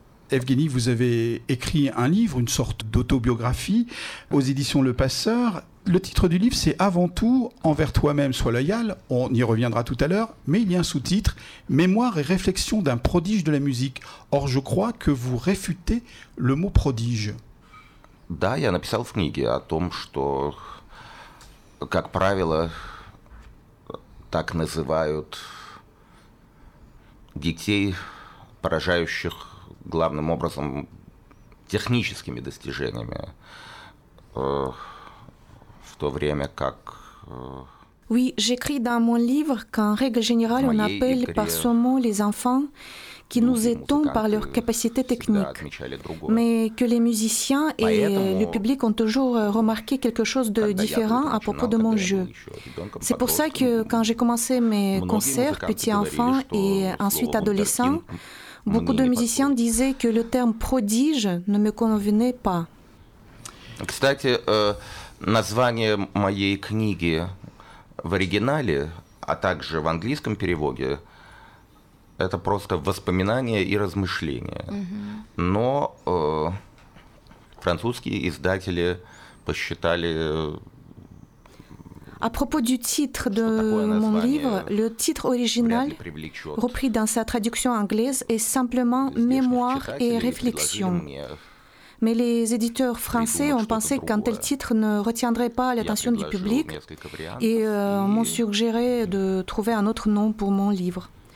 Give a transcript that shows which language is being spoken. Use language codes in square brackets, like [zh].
[fr] Evgeny, vous avez écrit un livre, une sorte d'autobiographie aux éditions Le Passeur. Le titre du livre, c'est « Avant tout, envers toi-même, sois loyal ». On y reviendra tout à l'heure, mais il y a un sous-titre « Mémoire et réflexion d'un prodige de la musique ». Or, je crois que vous réfutez le mot « prodige ». [ru] Да, я написал в книге о том, что, как правило, так называют детей, поражающих главным образом техническими достижениями, в то время как... [fr] Oui, j'écris dans mon livre qu'en règle générale, on appelle par son mot les enfants qui nous étonnent par leur capacité technique, mais que les musiciens et le public ont toujours remarqué quelque chose de différent à propos de mon jeu. C'est pour ça que quand j'ai commencé mes concerts, petit-enfant et ensuite adolescent, beaucoup de musiciens disaient que le terme « prodige » ne me convenait pas. [ru] Кстати, название моей книги в оригинале, а также в английском переводе, это просто воспоминания и размышления. Mm-hmm. Но французские издатели посчитали... [fr] À propos du titre de mon livre, le titre original, repris dans sa traduction anglaise, est simplement « Mémoire et réflexion ». Mais les éditeurs français ont pensé qu'un tel titre ne retiendrait pas l'attention du public et m'ont suggéré de trouver un autre nom pour mon livre.